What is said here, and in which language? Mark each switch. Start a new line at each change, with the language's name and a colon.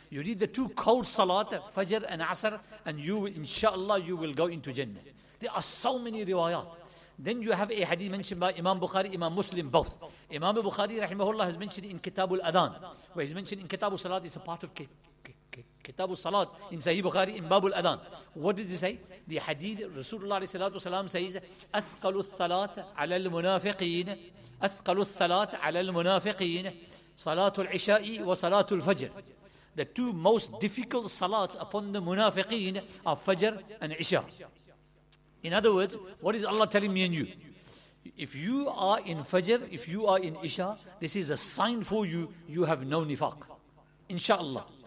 English: You read the two cold salat, Fajr and Asr, and you will, inshallah, you will go into Jannah. There are so many riwayat. Then you have a hadith mentioned by Imam Bukhari, Imam Muslim, both. Imam Bukhari rahimahullah has mentioned in Kitab al-Adhan, where he's mentioned in Kitab al-Salat, it's a part of Kitab al-Salat in Sahih Bukhari, in Bab al-Adhan. What did he say? The hadith, Rasulullah alayhi salatu salam says,
Arabic: أَثْقَلُ الثَّلَاتَ عَلَى الْمُنَافِقِينَ أَثْقَلُ الثَّلَاتَ عَلَى الْمُنَافِقِينَ صَلَاتُ الْعِشَاءِ وَصَلَاتُ الْفَجْرِ.
English: The two most difficult salats upon the munafiqeen are Fajr and Isha. In other words, what is Allah telling me and you? If you are in Fajr, if you are in Isha, this is a sign for you, you have no nifaq. Inshallah.